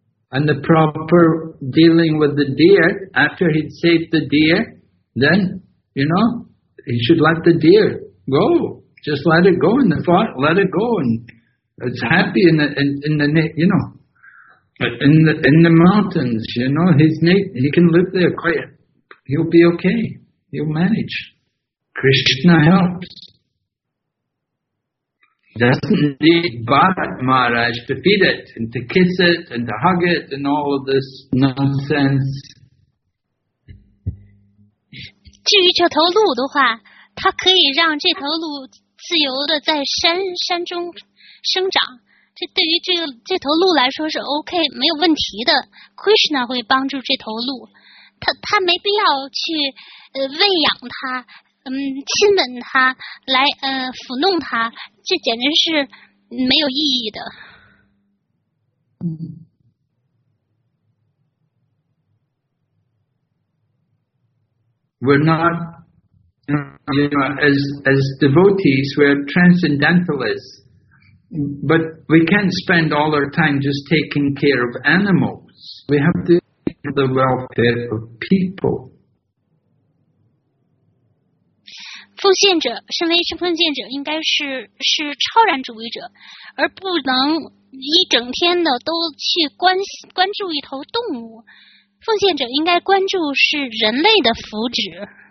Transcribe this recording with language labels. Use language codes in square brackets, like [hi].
[en] And the proper dealing with the deer, after he'd saved the deer, then, you know, he should let the deer go, just let it go in the forest, let it go, and it's happy in the mountains, you know, he can live there quiet. He'll be okay. He'll manage. Krishna helps. Doesn't need Bharat Maharaj to feed it and to kiss it and to hug it and all of this nonsense. [zh] 至于这头鹿的话，它可以让这头鹿自由的在山中生长，这对于这头鹿来说是 OK， 没有问题的。 Krishna 会帮助这头鹿，它没必要去喂养它，亲吻它，来抚弄它，这简直是没有意义的。 [en] We're not. You know, as devotees, we're transcendentalists, but we can't spend all our time just taking care of animals. We have to take care of the welfare of people. [zh] 奉献者，身为是奉献者，应该是超然主义者，而不能一整天的都去关注一头动物。奉献者应该关注是人类的福祉。